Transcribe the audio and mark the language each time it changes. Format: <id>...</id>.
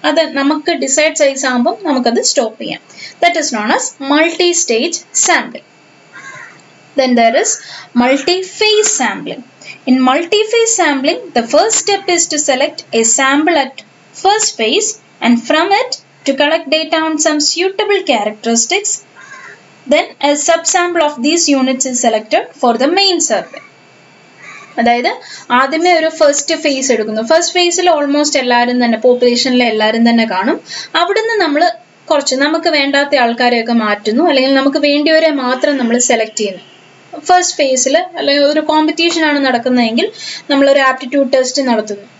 <ml>അത് നമുക്ക് decide size ആകുമ്പം നമുക്കത് സ്റ്റോപ്പ് ചെയ്യാം.</ml> <en>That is known as multi stage sampling. Then there is multi phase sampling. In multi phase sampling the first step is to select a sample at first phase and from it to collect data on some suitable characteristics. Then a subsample of these units is selected for the main survey.</en> <ml>അതായത് ആദ്യമേ ഒരു first phase എടുക്കുന്നു. First ഫേസിൽ almost എല്ലാവരും തന്നെ പോപ്പുലേഷനിലെ എല്ലാവരും തന്നെ കാണും. അവിടെ നിന്ന് നമ്മൾ കുറച്ച് നമുക്ക് വേണ്ടാത്ത ആൾക്കാരെയൊക്കെ മാറ്റുന്നു, അല്ലെങ്കിൽ നമുക്ക് വേണ്ടിയവരെ മാത്രം നമ്മൾ സെലക്ട് ചെയ്യുന്നു ഫസ്റ്റ് ഫേസിൽ. അല്ലെങ്കിൽ ഒരു കോമ്പറ്റീഷൻ ആണ് നടക്കുന്നതെങ്കിൽ നമ്മളൊരു ആപ്റ്റിറ്റ്യൂഡ് ടെസ്റ്റ് നടത്തുന്നു.</ml>